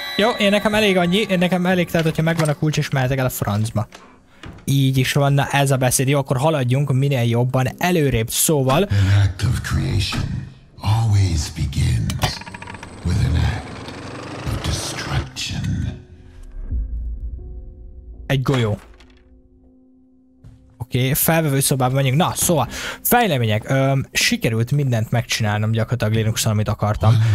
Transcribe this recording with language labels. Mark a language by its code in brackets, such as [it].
[hu] Jó, én nekem elég annyi, én nekem elég, tehát hogyha megvan a kulcs, és mehetek el a francba. Így is van, na ez a beszéd. Jó, akkor haladjunk minél jobban, előrébb szóval. [en] An act of creation always begins with an act of destruction. [hu] Egy golyó. Oké, felvevő szobában vagyunk. Na, szóval, fejlemények. Sikerült mindent megcsinálnom gyakorlatilag Linuxon, amit akartam.